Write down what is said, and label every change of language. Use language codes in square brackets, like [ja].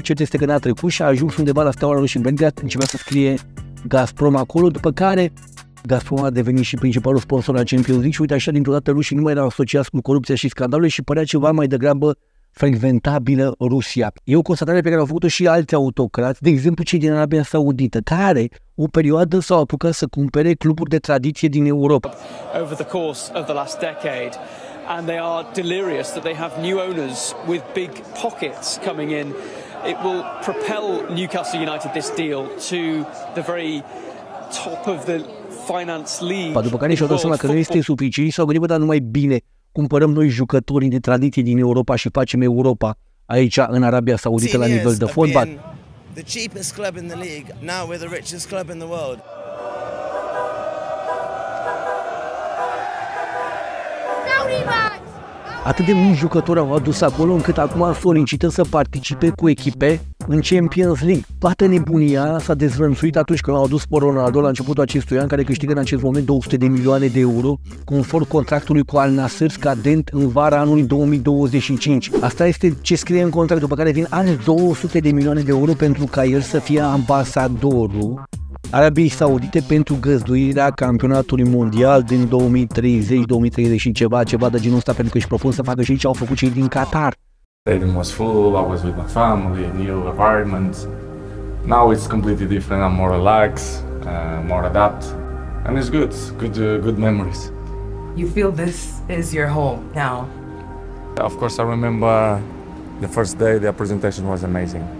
[ro] Cert este că n-a trecut și a ajuns undeva la Steaua Roșie Belgrad, începea să scrie Gazprom acolo, după care Gazprom a devenit și principalul sponsor al Champions League și uite așa, dintr-o dată rușii nu mai erau asociați cu corupția și scandalurile și părea ceva mai degrabă frecventabilă Rusia. E o constatare pe care au făcut-o și alți autocrați, de exemplu cei din Arabia Saudită, care o perioadă s-au apucat să cumpere cluburi de tradiție din Europa. [en] Over the course of the last decade, and they are delirious that they have new owners with big pockets coming in. It will propel Newcastle United, this deal, to the very top of the finance league. [ro] Ba, după care și-au dat seama că nu este suficient, s-au gândit, bă, dar numai bine, cumpărăm noi jucătorii de tradiție din Europa și facem Europa aici în Arabia Saudită la nivel de fotbal. [en] The cheapest club in the league, now we're the richest club in the world. Saudi bags! [ro] atât de mulți jucători au adus acolo încât acum solicită să participe cu echipe în Champions League. Toată nebunia s-a dezvănțuit atunci când au adus pe Ronaldo la începutul acestui an, care câștigă în acest moment 200 de milioane de euro, conform contractului cu Al Nassr scadent în vara anului 2025. Asta este ce scrie în contract, după care vin alți 200 de milioane de euro pentru ca el să fie ambasadorul Arabiei Saudite pentru găzduirea campionatului mondial din 2030-2030 și ceva de genul ăsta, pentru că își propun să facă și ce au făcut cei din Qatar. [en] Stadium was full, I was with my family, new environment. Now it's completely different, I'm more relaxed, more adapt, and it's good, good memories. You feel this is your home now? Of course, I remember the first day, the presentation was amazing.